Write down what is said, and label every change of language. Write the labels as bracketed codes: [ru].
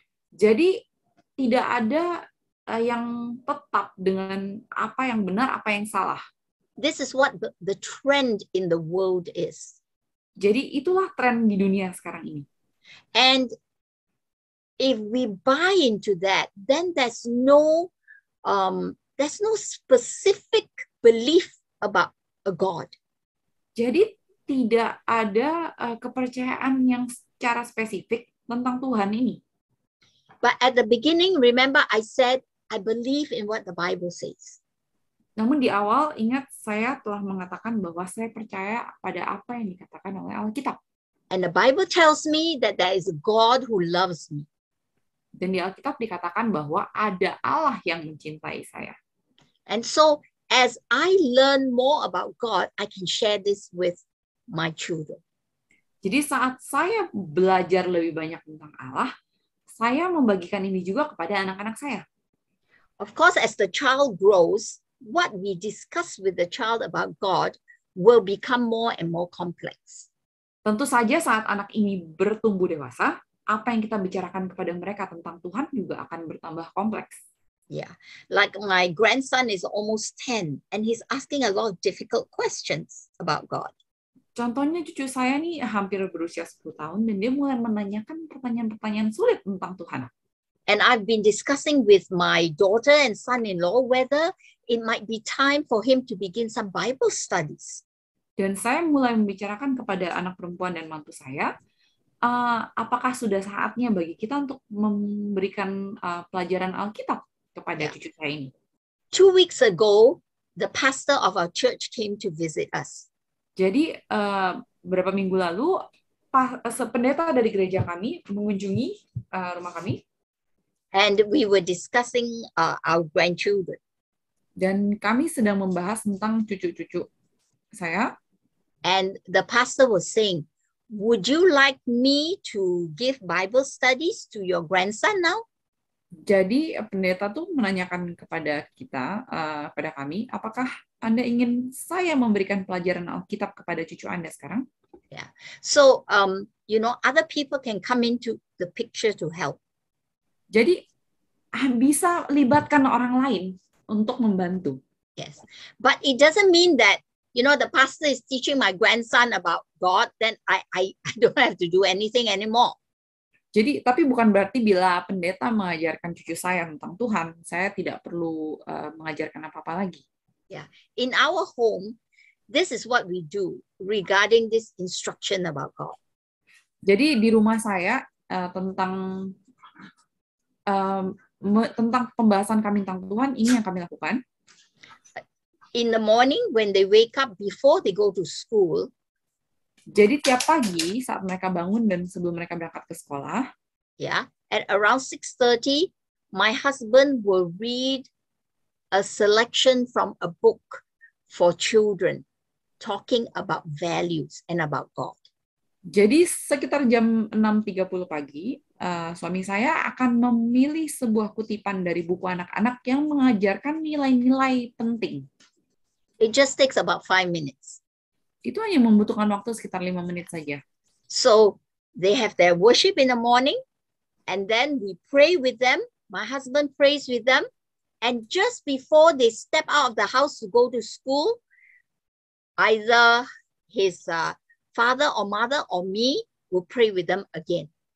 [id] Jadi tidak ada yang tetap dengan apa yang benar, apa yang salah. [en] This is what the trend in the world is. [id] Jadi itulah tren di dunia sekarang ini. [en] And if we buy into that, then there's no specific belief about a God. [id] Jadi tidak ada kepercayaan yang secara spesifik tentang Tuhan ini. [en] But at the beginning, remember I said I believe in what the Bible says. [id] Namun di awal, ingat saya telah mengatakan bahwa saya percaya pada apa yang dikatakan oleh Alkitab. [en] And the Bible tells me that there is a God who loves me. [id] Dan di Alkitab dikatakan bahwa ada Allah yang mencintai saya. [en] And so as I learn more about God, I can share this with my children. [id] Jadi saat saya belajar lebih banyak tentang Allah, saya membagikan ini juga kepada anak-anak saya. [en] Of course, as the child grows, what we discuss with the child about God will become more and more complex. [id] Tentu saja saat anak ini bertumbuh dewasa, apa yang kita bicarakan kepada mereka tentang Tuhan juga akan bertambah kompleks. [en] Yeah, like my grandson is almost 10 and he's asking a lot of difficult questions about God. [id] Contohnya cucu saya nih hampir berusia 10 tahun dan dia mulai menanyakan pertanyaan-pertanyaan sulit tentang Tuhan. [en] And I've been discussing with my daughter and son-in-law whether it might be time for him to begin some Bible studies. [id] Dan saya mulai membicarakan kepada anak perempuan dan mantu saya, apakah sudah saatnya bagi kita untuk memberikan pelajaran Alkitab kepada cucu saya ini. [en] 2 weeks ago, the pastor of our church came to visit us. [id] Jadi, beberapa minggu lalu, pendeta dari gereja kami mengunjungi rumah kami. [en] And we were discussing our grandchildren. [id] Dan kami sedang membahas tentang cucu-cucu saya. [en] And the pastor was saying, would you like me to give Bible studies to your grandson now? [id] Jadi pendeta tuh menanyakan kepada kita, kepada kami, apakah Anda ingin saya memberikan pelajaran Alkitab kepada cucu Anda sekarang? [en] Yeah. So, you know, other people can come into the picture to help. [id] Jadi bisa libatkan orang lain untuk membantu. [en] Yes. But it doesn't mean that, you know, the pastor is teaching my grandson about God, then I don't have to do anything anymore. [id] Jadi, tapi bukan berarti bila pendeta mengajarkan cucu saya tentang Tuhan, saya tidak perlu mengajarkan apa-apa lagi. [en] Yeah. In our home, this is what we do regarding this instruction about God. [id] Jadi di rumah saya tentang pembahasan kami tentang Tuhan, ini yang kami lakukan. [en] In the morning when they wake up before they go to school. [id] Jadi tiap pagi saat mereka bangun dan sebelum mereka berangkat ke sekolah, [en] yeah, at around 6:30 my husband will read a selection from a book for children talking about values and about God. [id] Jadi sekitar jam 6:30 pagi, suami saya akan memilih sebuah kutipan dari buku anak-anak yang mengajarkan nilai-nilai penting. [en] It just takes about 5 minutes. [id] Itu hanya membutuhkan waktu sekitar 5 menit saja. [en] So, they have their worship in the morning, and then we pray with them, my husband prays with them, and just before they step out of the house to go to school, either his father or mother or me will pray with them again.